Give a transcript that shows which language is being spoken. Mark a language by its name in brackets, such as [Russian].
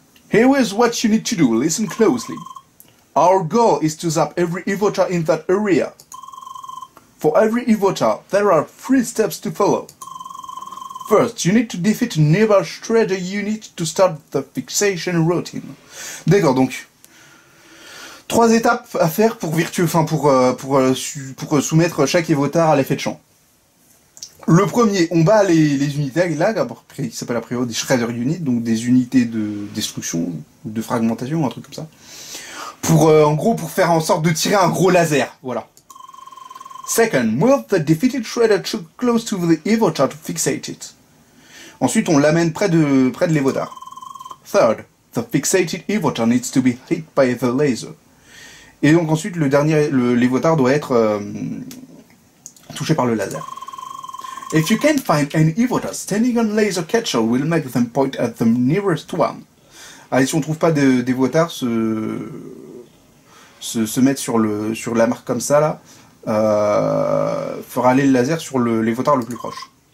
[English] Here is what you need to do, listen closely. Our goal is to zap every Evota in that area. For every Evota, there are 3 steps to follow. First, you need to defeat a nearby Shredder unit to start the fixation routine. [French] D'accord, donc, 3 étapes à faire pour virtuer, enfin pour soumettre chaque Evotar à l'effet de champ. Le premier, on bat les unités là, qui s'appellent a priori des Shredder units, donc des unités de destruction, de fragmentation, un truc comme ça. Pour, en gros, pour faire en sorte de tirer un gros laser, voilà. [English] Second, move the defeated Shredder troop close to the Evotar to fixate it. [French] Ensuite, on l'amène près de l'Evotar. [English] Third, the fixated Evotar needs to be hit by the laser. [French] Et donc ensuite, l'Evotar doit être touché par le laser. [English] If you can't find any Evotar, standing on laser catcher will make them point at the nearest one. [French] Allez, si on ne trouve pas d'Evotar, se mettre sur la marque comme ça, là. Fera aller le laser sur l'évotard le plus proche.